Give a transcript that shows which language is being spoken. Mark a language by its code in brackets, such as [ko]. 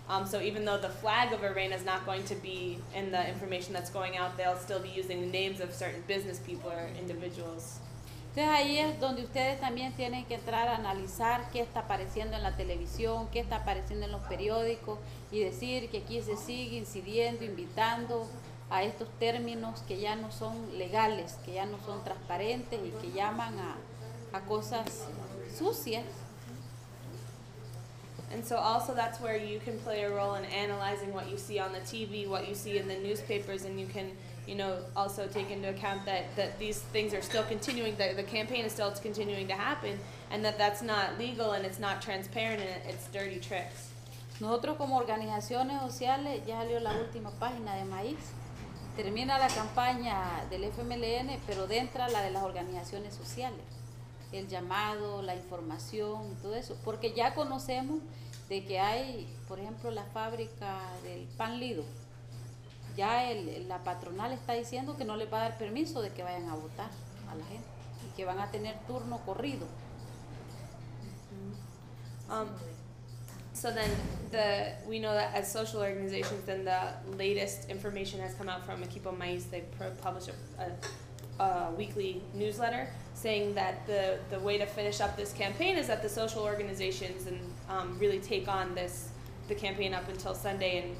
[en] So even though the flag of Arena is not going to be in the information that's going out, they'll still be using the names of certain business people or individuals. [es] Entonces ahí es donde ustedes también tienen que entrar a analizar qué está apareciendo en la televisión, qué está apareciendo en los periódicos, y decir que aquí se sigue incidiendo, invitando a estos términos que ya no son legales, que ya no son transparentes y que llaman a cosas sucias. [en] And so also that's where you can play a role in analyzing what you see on the TV, what you see in the newspapers, and you can, you know, also take into account that these things are still continuing, that the campaign is still continuing to happen, and that's not legal and it's not transparent and it's dirty tricks. [es] Nosotros como organizaciones sociales, ya salió la última página de Maíz, termina la campaña del FMLN, pero dentro la de las organizaciones sociales, el llamado, la información, todo eso, porque ya conocemos de que hay, por ejemplo, la fábrica del pan Lido, ya la patronal está diciendo que no les va a dar permiso de que vayan a votar a la gente y que van a tener turno corrido. [en] So then we know that as social organizations, then the latest information has come out from Equipo Maíz. They publish a weekly newsletter saying that the way to finish up this campaign is that the social organizations and really take on the campaign up until Sunday.